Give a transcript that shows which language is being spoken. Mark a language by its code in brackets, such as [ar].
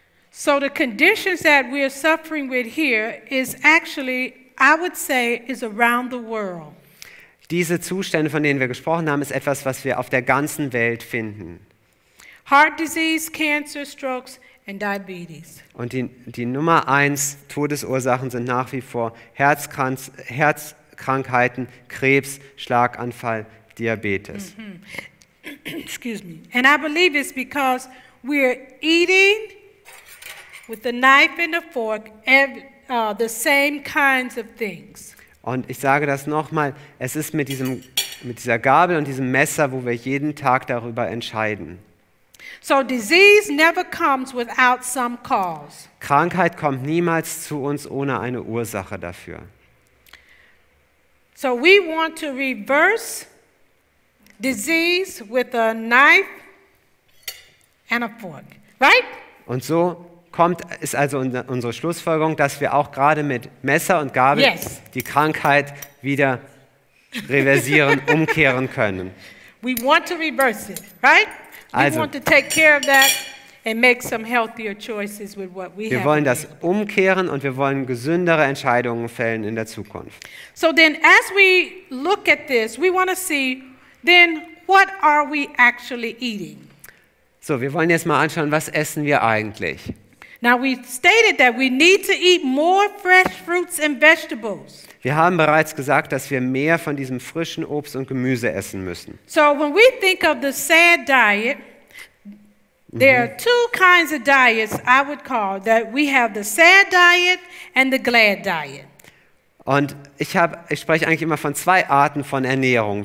[en] So the conditions that we are suffering with here is actually, I would say, is around the world. [de] Diese Zustände, von denen wir gesprochen haben, ist etwas, was wir auf der ganzen Welt finden. [en] Heart disease, cancer, strokes and diabetes. [de] Und die Nummer eins Todesursachen sind nach wie vor Herzkrankheiten, Krankheiten, Krebs, Schlaganfall, Diabetes. [en] Excuse me. And I believe it's because we're eating with the knife and the fork the same kinds of things. [de] Und ich sage das nochmal, es ist mit dieser Gabel und diesem Messer, wo wir jeden Tag darüber entscheiden. [en] So disease never comes without some cause. [de] Krankheit kommt niemals zu uns ohne eine Ursache dafür. [en] So we want to reverse disease with a knife and a fork, right? [de] Und so kommt ist also unsere Schlussfolgerung, dass wir auch gerade mit Messer und Gabel yes. die Krankheit wieder reversieren, umkehren können. [en] We want to reverse it, right? [de] Also, [en] we want to take care of that and make some healthier choices with what we [de] wir [en] have. [de] Wir wollen das umkehren und wir wollen gesündere Entscheidungen fällen in der Zukunft. [en] So then as we look at this, we want to see then what are we actually eating? [de] So, wir wollen jetzt mal anschauen, was essen wir eigentlich? [en] Now we stated that we need to eat more fresh fruits and vegetables. [de] Wir haben bereits gesagt, dass wir mehr von diesem frischen Obst und Gemüse essen müssen. [en] So when we think of the sad diet, there are two kinds of diets I would call that we have the sad diet and the glad diet. [de] Und ich spreche eigentlich immer von zwei Arten von Ernährung.